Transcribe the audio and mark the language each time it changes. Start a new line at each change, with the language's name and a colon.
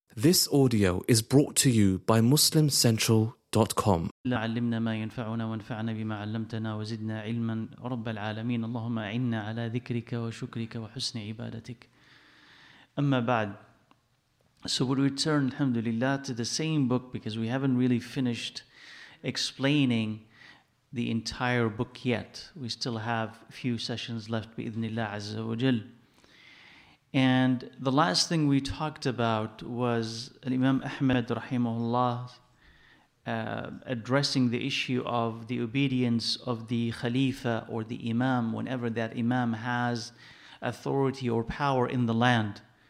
English: This audio is brought to you by MuslimCentral.com.
Arabic: علمنا ما ينفعنا وانفعنا بما علمتنا وزدنا علما رب العالمين اللهم أعنا على ذكرك وشكرك وحسن عبادتك. أما بعد,
English: so we return alhamdulillah to the same book because we haven't really finished explaining the entire book yet. We still have a few sessions left
Arabic: بإذنالله عز وجل.
English: And the last thing we talked about was Imam Ahmad rahimahullah addressing the issue of the obedience of the Khalifa or the Imam whenever that Imam has authority or power in the land.